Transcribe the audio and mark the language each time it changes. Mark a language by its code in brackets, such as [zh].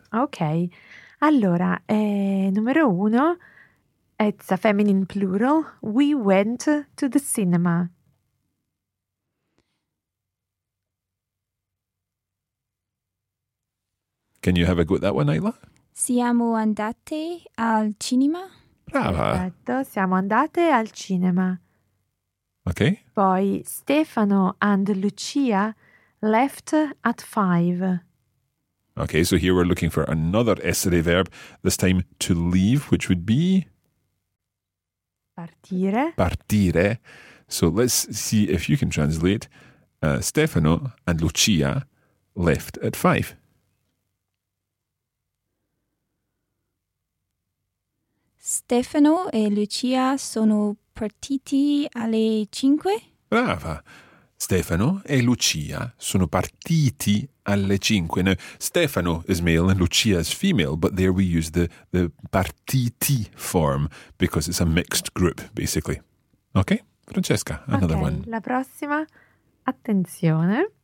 [en] Okay. [it] Allora, numero uno, [en] it's a feminine plural. We went to the cinema. Can you have a go at that one, Ayla? [it] Siamo andate al cinema. Brava. Esatto, siamo andate al cinema. [en] Okay. Poi Stefano and Lucia left at 5. Okay, so here we're looking for another essere verb, this time to leave, which would be? [it] Partire. [en] Partire. So let's see if you can translate. Stefano and Lucia left at 5. [it] Stefano e Lucia sono partiti alle 5. Brava. Stefano e Lucia sono partiti alle 5. [en] Now, Stefano is male and Lucia is female, but there we use the partiti form because it's a mixed group, basically. Okay, Francesca, another okay, one. [it] La prossima, attenzione.